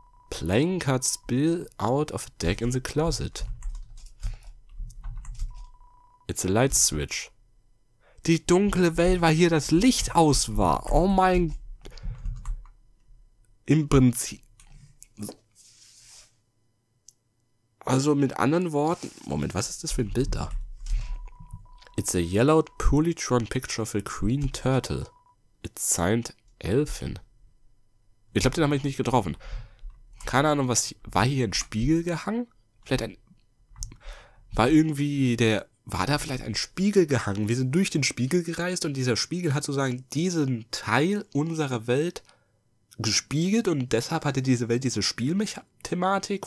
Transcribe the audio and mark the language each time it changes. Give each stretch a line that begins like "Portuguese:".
English: Playing cards spill out of a deck in the closet. It's a light switch.
German: Die dunkle Welt, weil hier das Licht aus war. Oh mein... Im Prinzip... Also mit anderen Worten... Moment, was ist das für ein Bild da?
English: It's a yellowed, poorly drawn picture of a green turtle. It's signed Elfin.
German: Ich glaube, den habe ich nicht getroffen. Keine Ahnung, was hier, war hier ein Spiegel gehangen? Vielleicht ein... War da vielleicht ein Spiegel gehangen? Wir sind durch den Spiegel gereist und dieser Spiegel hat sozusagen diesen Teil unserer Welt gespiegelt und deshalb hatte diese Welt diese Spielthematik.